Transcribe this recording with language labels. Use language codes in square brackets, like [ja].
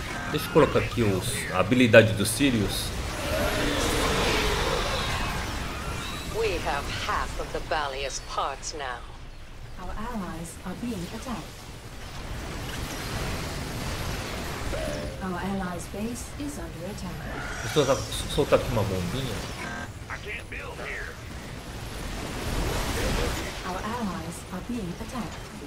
[pt] Deixa eu colocar aqui a habilidade dos Sirius. [en] We have half of the Balius parts now. Our allies are being attacked. Our allies base is under attack. [pt] Deixa eu soltar aqui uma bombinha. [en] I can't build here. Our allies are being attacked.